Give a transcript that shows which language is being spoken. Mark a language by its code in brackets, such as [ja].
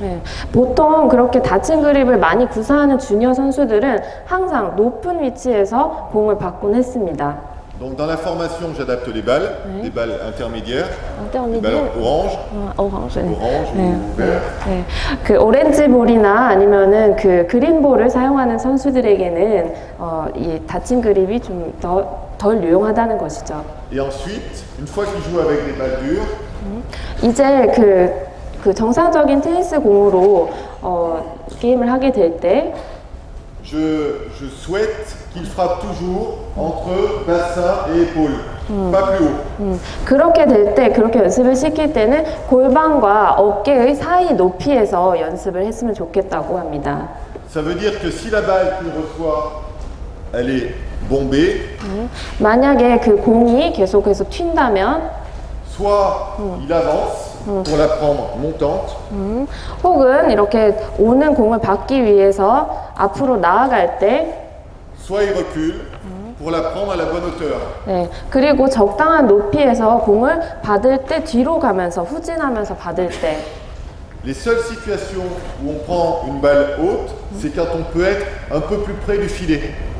[ko] 네, 보통 그렇게 닫힌 그립을 많이 구사하는 주니어 선수들은 항상 높은 위치에서 공을 받곤 했습니다. [fr] Donc dans la formation, j'adapte les balles, 네. des balles intermédiaires, orange, orange, orange, 네. 네. 네. [ko] 그 오렌지 볼이나 아니면은 그 그린 볼을 사용하는 선수들에게는 이 닫힌 그립이 좀 덜 유용하다는 것이죠. [fr] Et ensuite, une fois qu'il joue avec des balles dures, [ko] 이제 그 정상적인 테니스 공으로 게임을 하게 될 때. [fr] Je souhaite qu'il frappe toujours entre bassin et épaule, pas plus haut. [ko] 그렇게 될 때, 그렇게 연습을 시킬 때는 골반과 어깨의 사이 높이에서 연습을 했으면 좋겠다고 합니다. [fr] Ça veut dire que si la balle qu'il reçoit, elle est bombée. [ko] 만약에 그 공이 계속해서 튄다면, [fr] soit il avance. Pour la prendre montante. [ko] 혹은 이렇게 오는 공을 받기 위해서 앞으로 나아갈 때 [fr] soit il recule pour la prendre à la bonne hauteur. [ko] 네, 그리고 적당한 높이에서 공을 받을 때 뒤로 가면서 후진하면서 받을 때 [fr] Les seules situations où on prend une balle haute, c'est quand on peut être un peu plus près du filet.